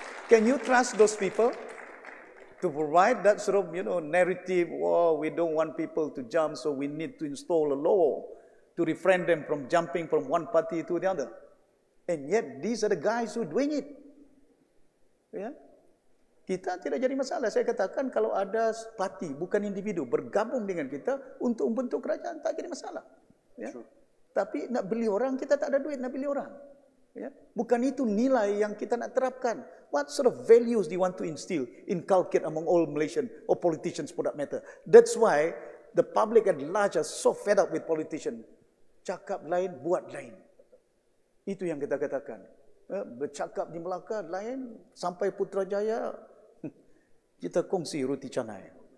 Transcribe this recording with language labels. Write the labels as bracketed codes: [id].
[en] Can you trust those people to provide that sort of, you know, narrative? Oh, we don't want people to jump, so we need to install a law to refrain them from jumping from one party to the other. And yet, these are the guys who are doing it. Yeah? [ms] Kita tidak jadi masalah. Saya katakan kalau ada parti, bukan individu, bergabung dengan kita untuk membentuk kerajaan, tak jadi masalah. Ya? Sure. Tapi nak beli orang, kita tak ada duit nak beli orang. Ya? Bukan itu nilai yang kita nak terapkan. [en] What sort of values do you want to instill, inculcate among all Malaysian or politicians for that matter? That's why the public at large are so fed up with politicians. [ms] Cakap lain, buat lain. Itu yang kita katakan. Ya? Bercakap di Melaka, lain, sampai Putrajaya, kita kongsi roti canai.